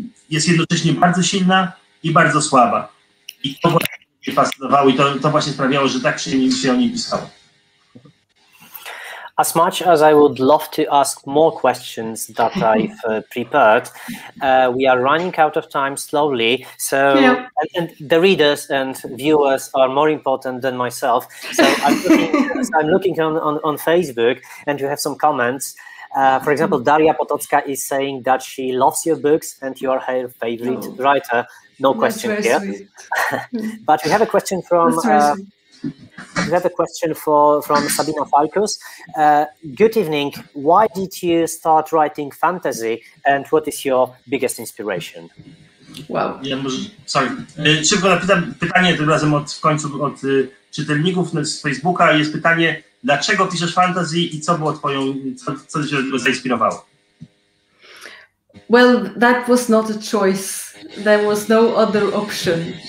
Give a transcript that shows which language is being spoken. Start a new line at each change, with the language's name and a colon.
Polish: Jest jednocześnie bardzo silna i bardzo słaba. I to właśnie mnie fascynowało i to właśnie sprawiało, że tak się o niej pisało.
English: As much as I would love to ask more questions that I've prepared, we are running out of time slowly. So, yeah. And the readers and viewers are more important than myself. So I'm looking on Facebook and you have some comments. For example, Daria Potocka is saying that she loves your books and you are her favorite writer. No question here. But we have a question from... We have a question from Sabina Falkus. Good evening. Why did you start writing fantasy and what is your biggest inspiration? Well,
Polish: yeah, szybko zapytam pytanie tym razem w końcu od czytelników z Facebooka. Jest pytanie, dlaczego piszesz fantasy i co cię zainspirowało?
English: Well, that was not a choice. There was no other option.